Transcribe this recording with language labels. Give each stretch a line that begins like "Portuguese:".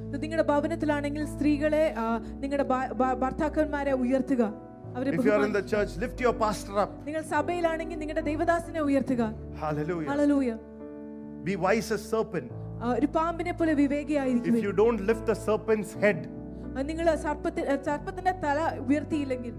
Malayalam: നിങ്ങളുടെ ഭവനത്തിലാണെങ്കിൽ സ്ത്രീകളെ നിങ്ങളുടെ ഭർത്താക്കന്മാരെ ഉയർത്തുക.
English: If you are in the church, lift your pastor up.
Malayalam: നിങ്ങൾ സഭയിലാണെങ്കിൽ നിങ്ങളുടെ ദൈവദാസനെ ഉയർത്തുക.
English: Hallelujah. Hallelujah. Be wise as serpent.
Malayalam: ഒരു പാമ്പിനെ പോലെ വിവേകിയായിരിക്കുക.
English: If you don't lift the serpent's head,
Malayalam: നിങ്ങൾ സർപ്പത്തിന്റെ തല ഉയർത്തിയില്ലെങ്കിൽ